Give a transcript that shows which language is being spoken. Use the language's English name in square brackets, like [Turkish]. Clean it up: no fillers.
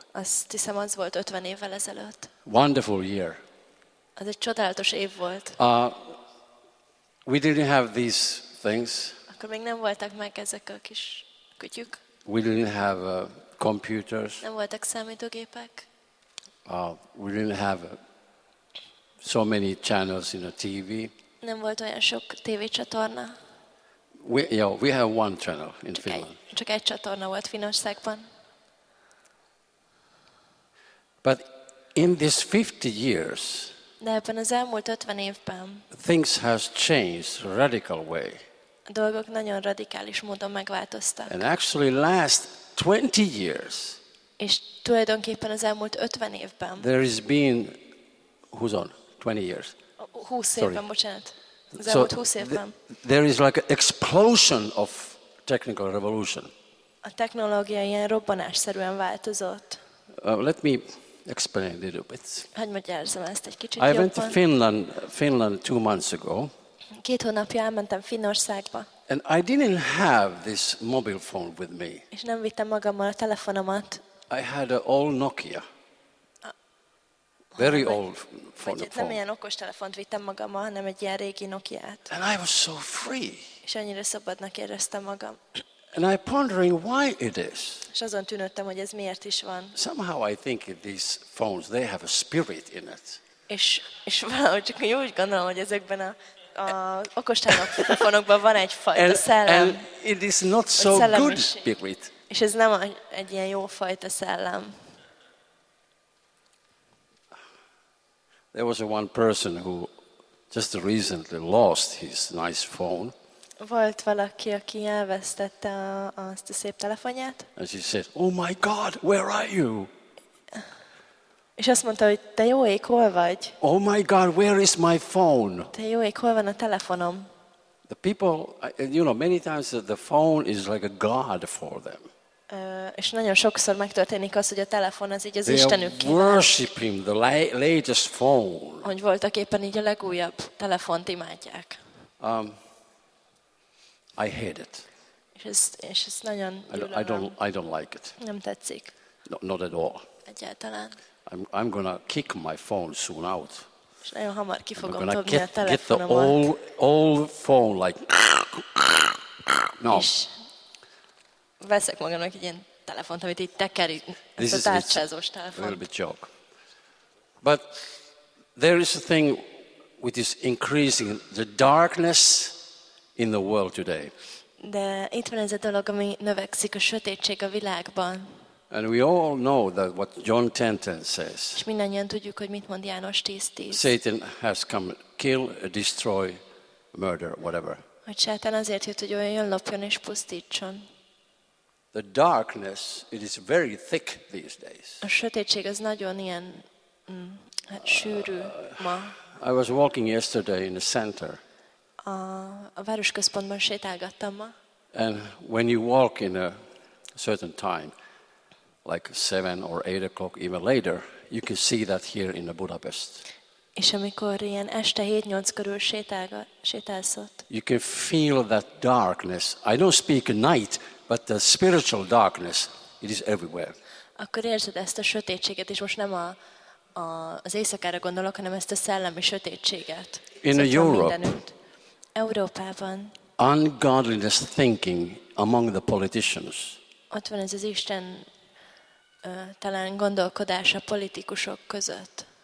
[Hungarian] Azt hiszem, az volt 50 évvel ezelőtt. [English] Wonderful year. [Hungarian] Az egy csodálatos év volt. [English] We didn't have these things. [Hungarian] Akkor még nem voltak meg ezek a kis kutyuk. [English] We didn't have computers. [Hungarian] Nem voltak számítógépek. [English] We didn't have so many channels in the TV. [Hungarian] Nem volt olyan sok TV csatorna. [English] We have one channel in [Hungarian] csak [English] Finland. [Hungarian] Csak egy csatorna volt Finnországban. [English] But in these 50 years, [Hungarian] de ebben az elmúlt 50 évben, [English] things has changed radical way. [Hungarian] A dolgok nagyon radikális módon megváltoztak. [English] And actually last 20 years, [Hungarian] és tulajdonképpen az elmúlt 50 évben. [English] There has been, who's on? 20 years. [Hungarian] 20 évben, [English] sorry. [Hungarian] Bocsánat. Az elmúlt 20 évben. [English] There is like an explosion of technical revolution. [Hungarian] A technológia ilyen robbanásszerűen változott. [English] Let me explain a little bit. [Hungarian] Hogy magyarázzam ezt egy kicsit jobban. [English] I went to Finland 2 months ago. [Hungarian] Két hónapja elmentem Finnországba. [English] And I didn't have this mobile phone with me. [Hungarian] És nem vittem magammal a telefonomat. [English] I had an old Nokia. Very old phone. [Hungarian] Nem ilyen okos telefont vittem magammal, hanem egy ilyen régi Nokiát. [English] And I was so free. [Hungarian] És annyira szabadnak éreztem magam. [English] And I pondering why it is. [Hungarian] És azon tűnődtem, hogy ez miért is van. [English] Somehow I think these phones, they have a spirit in it. [Hungarian] És valahogy csak úgy gondolom, hogy ezekben a okos telefonokban van egyfajta szellem. [English] And it is not so good spirit. [Hungarian] És ez nem egy ilyen jó fajta szellem. [English] There was one person who just recently lost his nice phone. [Hungarian] Volt valaki, aki elvesztette azt a szép telefonját. [English] And she said, "Oh my God, where are you?" [Hungarian] És azt mondta, hogy te jó ég, hol vagy? [English] Oh my God, where is my phone? [Hungarian] Te jó ég, hol van a telefonom? [English] The people, you know, many times the phone is like a god for them. [Hungarian] És nagyon sokszor megtörténik az, hogy a telefon az így az [English] They [Hungarian] istenük. [English] They are worshiping the latest phone. [Hungarian] Hogy voltak éppen így a legújabb telefont imádják. [English] I hate it. [Hungarian] És ez nagyon gyűlölöm. [English] I don't like it. [Hungarian] Nem tetszik. [English] No, not at all. [Hungarian] Egyáltalán. [English] I'm gonna kick my phone soon out. [Hungarian] És nagyon hamar ki fogom dobni a telefonomat. [English] Get the old phone like. No. [Hungarian] Veszek magamnak egy ilyen telefont, amit így tekerik, ez a tárcsázós telefon. [English] A little bit joke. But there is a thing which is increasing the darkness in the world today. [Hungarian] De itt van ez a dolog, ami növekszik a sötétség a világban. [English] And we all know that what John 10:10 says. [Hungarian] És mindannyian tudjuk, hogy mit mond János 10:10. [English] Satan has come kill, destroy, murder, whatever. [Hungarian] Hogy Sátán azért jött, hogy olyan jön, lopjon és pusztítson. [English] The darkness, it is very thick these days. [Hungarian] A sötétség az nagyon ilyen sűrű ma. [English] I was walking yesterday in the center. [Hungarian] A városközpontban sétálgattam ma. [English] And when you walk in a certain time, like 7 or 8 o'clock, even later, you can see that here in Budapest. [Hungarian] És amikor ilyen este 7-8 körül sétálsz ott. [English] You can feel that darkness. I don't speak night, but the spiritual darkness, it is everywhere. [Hungarian] Akkor érzed ezt a sötétséget, és most nem az éjszakára gondolok, hanem ezt a szellemi sötétséget. [English] In Europe, [Hungarian] Európában, [English] ungodliness thinking among the politicians. [Hungarian] Ott van ez az Isten talán gondolkodás a politikusok között.